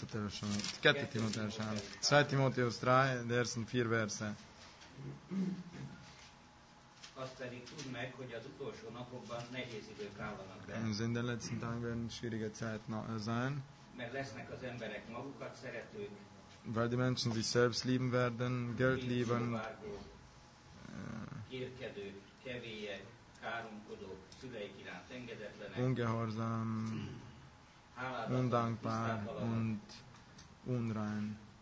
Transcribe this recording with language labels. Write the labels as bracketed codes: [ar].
[de] Timotheus 3, 2. Timotheus 3, die ersten vier Verse. [hu] Azt pedig tudd meg, hogy az utolsó napokban nehéz idők állanak. [de] In den letzten Tagen schwierige Zeit sein. [hu] Mert lesznek az emberek magukat szeretők. [de] Weil die Menschen sich selbst lieben werden, Geld lieben. [hu] Kérkedők, kevélyek, káromkodók, szüleik iránt engedetlenek. [de] Ungehorsam, undankbar und unrein.